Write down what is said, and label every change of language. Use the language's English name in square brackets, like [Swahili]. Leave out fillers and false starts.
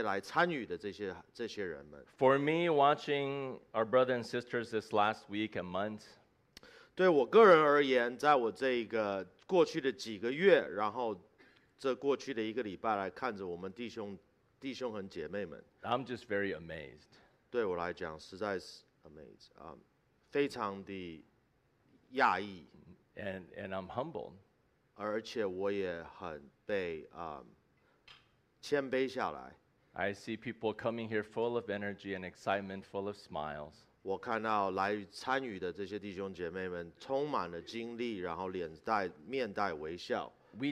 [English] For me, watching our brothers and sisters this last week and month, [Chinese] 对我个人而言，在我这一个过去的几个月，然后这过去的一个礼拜来看着我们弟兄和姐妹们。 [English] I'm just very amazed. [Chinese] 对我来讲，实在是 [English] amazed. [Chinese] 非常的讶异。 [English] And I'm humbled. [Chinese] 而且我也很被谦卑下来。 [English] I see people coming here full of energy and excitement, full of smiles. [Chinese] 我看到来参与的这些弟兄姐妹们充满了精力，然后面带微笑。 [English] We